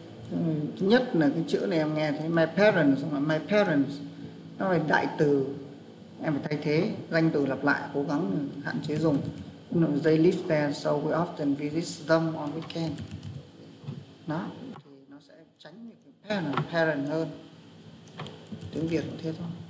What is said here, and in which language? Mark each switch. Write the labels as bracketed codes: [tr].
[vi] Thứ nhất là cái chữ này em nghe thấy [en] my parents [vi] nó là đại từ, em phải thay thế danh từ lặp lại, cố gắng hạn chế dùng. [en] They live there so we often visit them on weekend. [vi] Đó thì nó sẽ tránh những cái parent hơn, tiếng Việt cũng thế thôi.